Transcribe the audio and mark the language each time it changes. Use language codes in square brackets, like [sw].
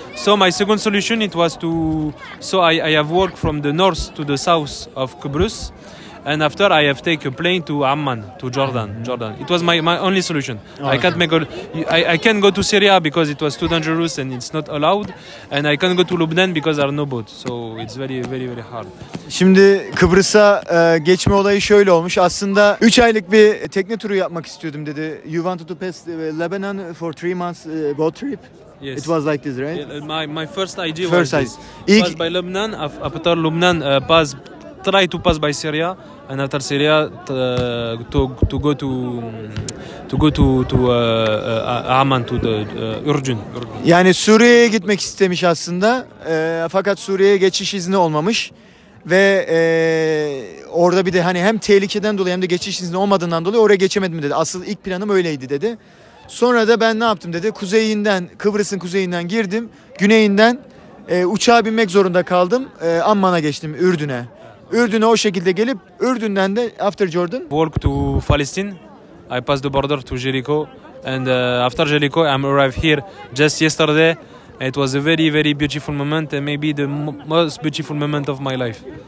[en] So my second solution, it was to... So I have worked from the north to the south of Kıbrıs. And after, I have taken a plane to Amman, to Jordan. Mm-hmm. Jordan. It was my only solution. Okay. I can't go to Syria because it was too dangerous and it's not allowed. And I can't go to Lübnan because there are no boats. So it's very, very, very hard. [tr] Şimdi Kıbrıs'a geçme olayı şöyle olmuş. Aslında 3 aylık bir tekne turu yapmak istiyordum dedi. [en] You wanted to pass Lebanon for 3 months boat trip? Yes. It was like this, right? Yeah, my first idea first was this. It was by Lübnan. After Lübnan passed... Try to pass by Syria, and after Syria to go to Amman to the Urdun. [tr] Yani Suriye'ye gitmek istemiş aslında, fakat Suriye'ye geçiş izni olmamış ve orada bir de hani hem tehlikeden dolayı hem de geçiş izni olmadığından dolayı oraya geçemedim dedi. Asıl ilk planım öyleydi dedi. Sonra da ben ne yaptım dedi? Kıbrıs'ın kuzeyinden girdim, güneyinden uçağa binmek zorunda kaldım. Amman'a geçtim, Ürdün'e. Ürdün'e o şekilde gelip Ürdün'den de [en] after Jordan walk to Palestine. I passed the border to Jericho and after Jericho I'm arrived here just yesterday. It was a very very beautiful moment and maybe the most beautiful moment of my life.